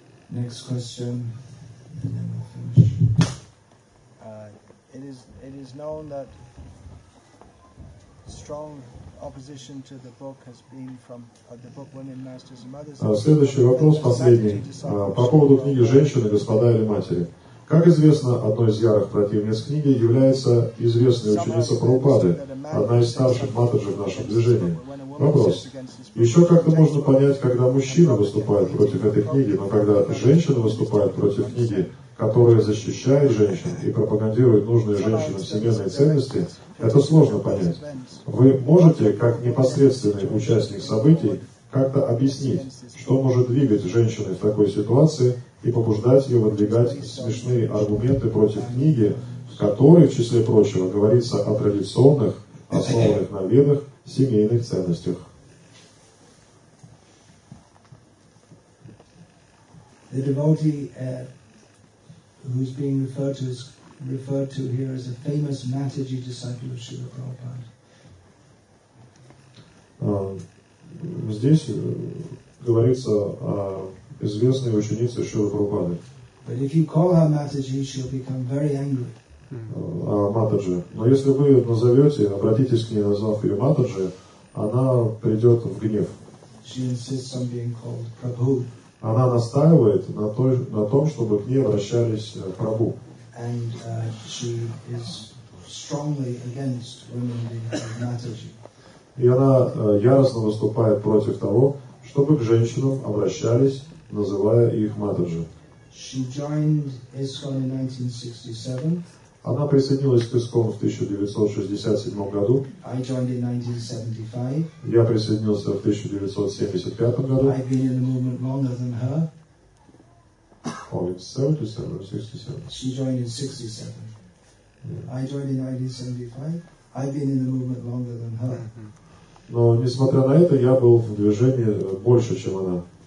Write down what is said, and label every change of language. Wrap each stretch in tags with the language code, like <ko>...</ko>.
<en>Next question, and then we'll finish. It is known that strong opposition to the book has been from the book Women, Masters and Mothers.</en> <ru>Следующий вопрос, последний, по поводу книги «Женщины, господа или матери». Как известно, одной из ярых противниц книги является известная ученица Прабхупады, одна из старших матаджи в нашем движении. Вопрос. Еще как-то можно понять, когда мужчина выступает против этой книги, но когда женщина выступает против книги, которая защищает женщин и пропагандирует нужные женщинам всемирные ценности, это сложно понять. Вы можете, как непосредственный участник событий, как-то объяснить, что может двигать женщины в такой ситуации и побуждать ее выдвигать смешные аргументы против книги, в которой, в числе прочего, говорится о традиционных, основанных на ведах, семейных ценностях.</ru> <en>The devotee, who's being referred to here as a famous Mataji disciple of Srila Prabhupada.</en> <ru>Здесь говорится о известной ученице Шрилы Прабхупады.</ru> <en>But if you call her Mataji, she'll become very angry.</en> <ru>Матаджи. Но если вы ее назовете, обратитесь к ней, назвав ее Матаджи, она придет в гнев.</ru> <en>She insists on being called Prabhu.</en> <ru>Она настаивает на том, чтобы к ней обращались Прабху.</ru> <en>And she is strongly against women being called Mataji.</en> <ru>И она яростно выступает против того, чтобы к женщинам обращались, называя их Матаджи.</ru> <en>She joined ISKCON in 1967.</en> <ru>Она присоединилась к ИСККОН в 1967 году.</ru> <en>I joined in 1975.</en> <ru>Я присоединился в 1975 году.</ru> <en>I've been in the movement longer than her. Oh, it's 77 or 67. She joined in 67. Yeah. I joined in 1975. I've been in the movement longer than her.</en> <ru>Но несмотря на это, я был в движении больше, чем она.</ru>